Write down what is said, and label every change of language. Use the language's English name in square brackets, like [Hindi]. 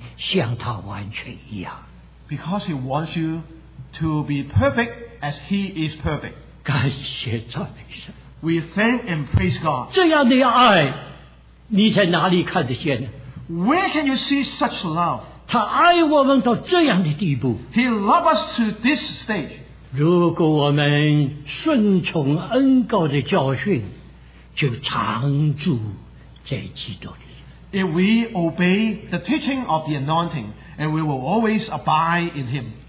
[Chinese] 他要你完全像他完全一样, [English] because he wants you to be perfect as he is perfect. [Chinese] 感谢赞美神, [English] we thank and praise God. [Chinese] 这样的爱, 你在哪里看得见呢? [English] Where can you see such love? [Chinese] 他爱我们到这样的地步, [English] he loves us to this stage. [Chinese] 如果我们顺从恩膏的教训, 就常住在基督里, [English] if we obey the teaching of the anointing, and we will always abide in him.